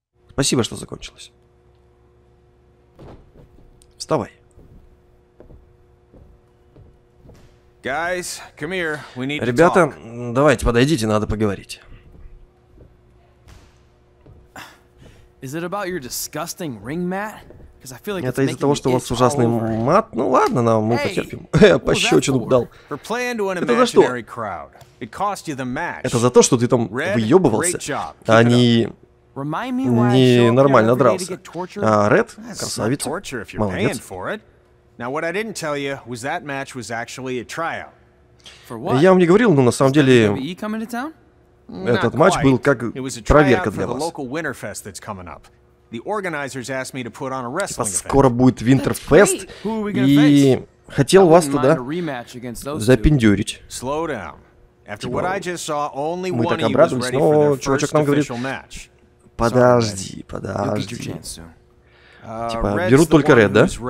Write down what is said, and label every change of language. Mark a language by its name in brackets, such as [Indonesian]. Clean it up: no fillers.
[Russian] Спасибо, что закончилось. Вставай. [English] Guys, come here. We need to [Russian] Ребята, [English] talk. [Russian] Давайте, подойдите, надо поговорить. [English] Is it about your disgusting ring mat? Because I feel like [Russian] это из-за того, что у вас ужасный мат? Ну ладно, нам мы потерпим. Пощечину дал. Это за что? Это за то, что ты там выебывался, а не... ненормально дрался. А Ред? Красавица. Молодец. [English] Now what I didn't tell you was that match was actually a trial. For what? [Russian] Я вам не говорил, но на самом деле этот матч был как проверка для вас. [English] Local Winterfest that's coming up. The organizers asked me to put on a wrestling event. [Russian] Скоро будет Winterfest, и хотел вас туда запиндюрить. [English] Slow down. After what I just saw, only one of you was ready for their first official match. [Russian] Подожди, подожди. Типа, берут только Ред, да?